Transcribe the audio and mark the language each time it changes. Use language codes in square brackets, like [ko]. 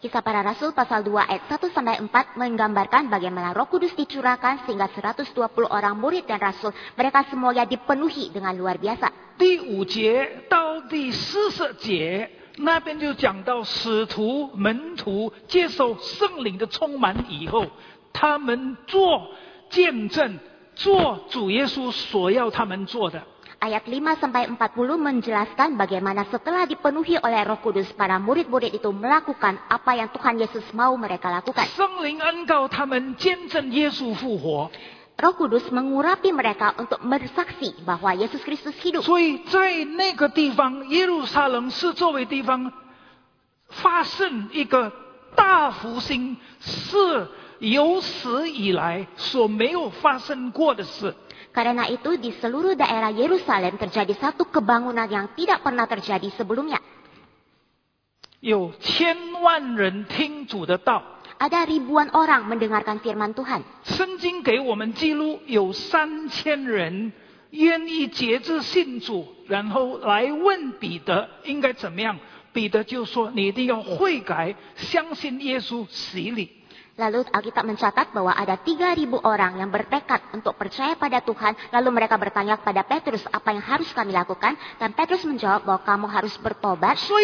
[id] Kisah Para Rasul pasal 2 ayat 1 sampai 4 menggambarkan bagaimana Roh Kudus dicurahkan sehingga 120 orang murid dan rasul mereka semuanya dipenuhi dengan luar biasa. [zh] 第五节到第四十节 那边就讲到使徒门徒接受圣灵的充满以后，他们做见证，做主耶稣所要他们做的。 [id] Ayat 5-40 menjelaskan bagaimana setelah dipenuhi oleh Roh Kudus, para murid-murid itu melakukan apa yang Tuhan Yesus mau mereka lakukan. [zh] 圣灵恩膏他们见证耶稣复活。 [id] Roh Kudus mengurapi mereka untuk bersaksi bahwa Yesus Kristus hidup. [zh] 所以在那个地方, 耶路撒冷是作为地方, 发生一个大复兴, 是有史以来所没有发生过的事。 [id] Karena itu di seluruh daerah Yerusalem terjadi satu kebangunan yang tidak pernah terjadi sebelumnya. [zh] 有千万人听主的道。 [id] Ada ribuan orang mendengarkan firman Tuhan. [zh] 圣经给我们记录有3000人愿意节制信主，然后来问彼得应该怎么样。彼得就说：“你一定要悔改，相信耶稣洗礼。” [id] Lalu Alkitab mencatat bahwa ada 3.000 orang yang bertekad untuk percaya pada Tuhan. Lalu mereka bertanya kepada Petrus apa yang harus kami lakukan. Dan Petrus menjawab bahwa kamu harus bertobat.